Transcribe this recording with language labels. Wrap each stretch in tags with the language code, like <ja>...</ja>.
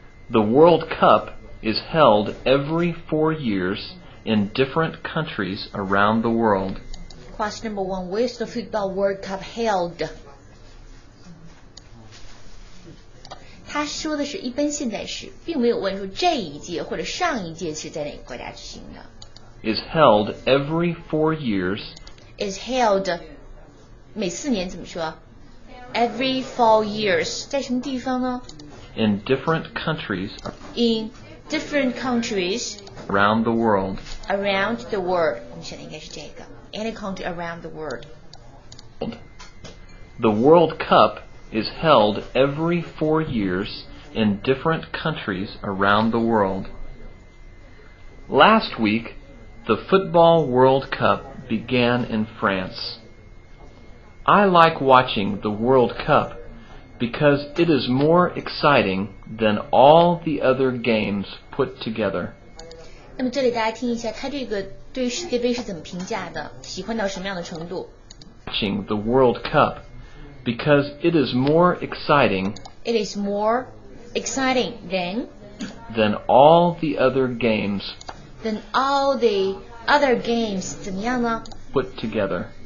<en>The World Cup is held every 4 years in different countries around the world. Question number one, where is the Football World Cup held?</en> <zh>他说的是一般现在时，并没有问出这一届或者上一届是在哪个国家举行的。</zh> <en>Is held every 4 years. Is held</en> <zh>每四年怎么说 ？</zh> <en>Every 4 years</en> <zh>在什么地方呢？</zh> <en>In different countries. In different countries. Around the world. Around the world.</en> <zh>我们选的应该是这个。</zh> <en>Any country around the world. The World Cup is held every 4 years in different countries around the world. Last week, the Football World Cup began in France. I like watching the World Cup. Because it is more exciting than all the other games put together.</en> <zh>那么这里大家听一下，他这个对于世界杯是怎么评价的？喜欢到什么样的程度</zh> <en>？Watching the World Cup because it is more exciting. It is more exciting than. Than all the other games. Than all the other games</en> <zh>怎么样呢</zh> <en>？Put together.</en>